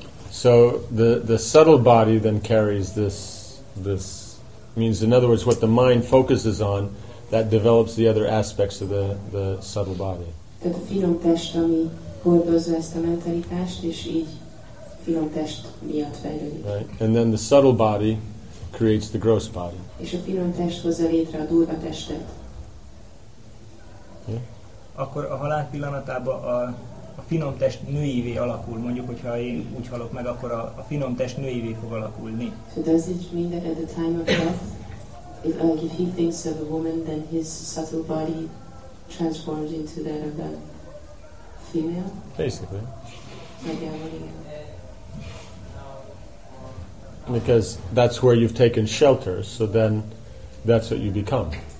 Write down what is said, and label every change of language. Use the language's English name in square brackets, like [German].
[English] So the subtle body then carries this means, in other words, what the mind focuses on, that develops the other aspects of the subtle body. [Hungarian] Tehát a finom test, ami hordozza ezt a mentalitást, és így finom test miatt fejlődik. [English] Right. And then the subtle body creates the gross body. [Hungarian] És a finom test hozza létre a durva testet. [English] Yeah. [Hungarian] Akkor a halál pillanatában a finom test nőivé alakul, mondjuk, hogyha én úgy halok meg, akkor a finom test nőivé fog alakulni. [English] So does it mean that at the time of death, if he thinks of a woman, then his subtle body transforms into that of the female? Basically. Like, yeah, what do you mean? Because that's where you've taken shelter, so then that's what you become.